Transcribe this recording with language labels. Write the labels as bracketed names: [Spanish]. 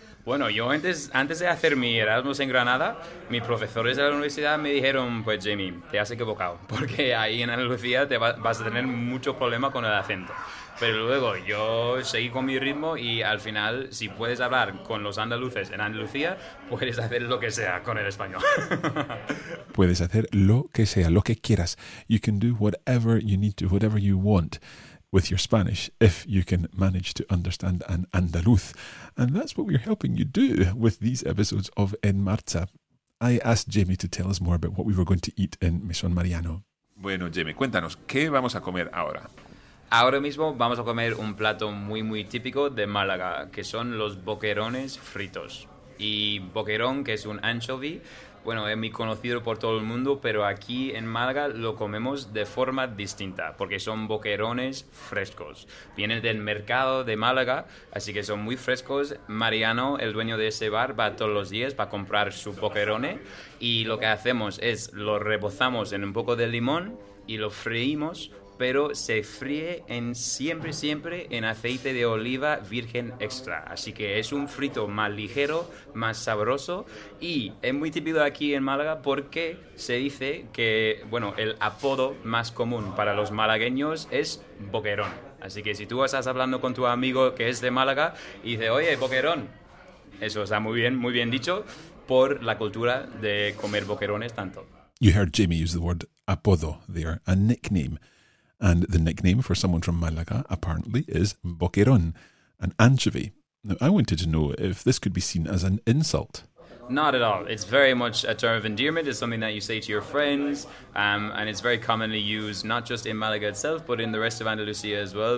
[Spanish] Bueno, yo antes de hacer mi Erasmus en Granada, mis profesores de la universidad me dijeron, pues Jamie, te has equivocado, porque ahí en Andalucía vas a tener mucho problema con el acento. Pero luego yo seguí con mi ritmo y al final, si puedes hablar con los andaluces en Andalucía, puedes hacer lo que sea con el español. Puedes hacer lo que sea, lo que quieras. [English] You can do whatever you need to, whatever you want with your Spanish, if you can manage to understand an Andaluz. And that's what we're helping you do with these episodes of En Marcha. I asked Jamie to tell us more about what we were going to eat in Mesón Mariano. [Spanish] Bueno, Jamie, cuéntanos, ¿qué vamos a comer ahora? Ahora mismo vamos a comer un plato muy, muy típico de Málaga, que son los boquerones fritos. Y boquerón, que es un anchovy, bueno, es muy conocido por todo el mundo, pero aquí en Málaga lo comemos de forma distinta, porque son boquerones frescos. Vienen del mercado de Málaga, así que son muy frescos. Mariano, el dueño de ese bar, va todos los días para comprar su boquerone, y lo que hacemos es lo rebozamos en un poco de limón, y lo freímos, pero se fríe en siempre en aceite de oliva virgen extra. Así que es un frito más ligero, más sabroso, y es muy típico aquí en Málaga porque se dice que, bueno, el apodo más común para los malagueños es boquerón. Así que si tú estás hablando con tu amigo que es de Málaga y dice, oye, boquerón, eso está muy bien dicho, por la cultura de comer boquerones tanto. [English] You heard Jamie use the word apodo there, a nickname. And the nickname for someone from Málaga, apparently, is boquerón, an anchovy. Now, I wanted to know if this could be seen as an insult. Not at all. It's very much a term of endearment. It's something that you say to your friends, and it's very commonly used not just in Málaga itself, but in the rest of Andalusia as well.